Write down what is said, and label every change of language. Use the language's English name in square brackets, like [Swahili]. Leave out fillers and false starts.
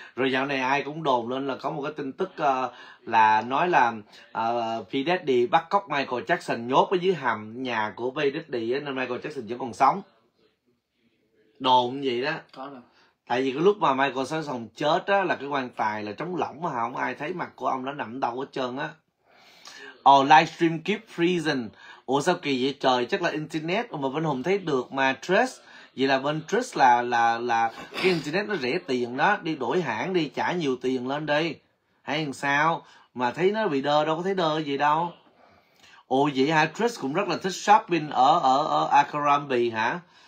[Vietnamese] Rồi dạo này ai cũng đồn lên là có một cái tin tức là nói là P. Daddy bắt cóc Michael Jackson nhốt ở dưới hầm nhà của P. Daddy á, nên Michael Jackson vẫn còn sống. Đồn gì đó. Có rồi. Tại vì cái lúc mà Michael Jackson chết á là cái quan tài là trống lỏng mà không ai thấy mặt của ông đó nằm đâu hết trơn á. [English] Ồ, livestream keep freezing. [Vietnamese] Ủa sao kỳ vậy trời, chắc là internet mà bên Hùng thấy được mà Trish. Vậy là bên Trish là cái internet nó rẻ tiền đó, đi đổi hãng đi, trả nhiều tiền lên đi. Hay làm sao? Mà thấy nó bị đơ, đâu có thấy đơ gì đâu. Ồ vậy hả? Trish cũng rất là thích shopping ở Akrambi hả?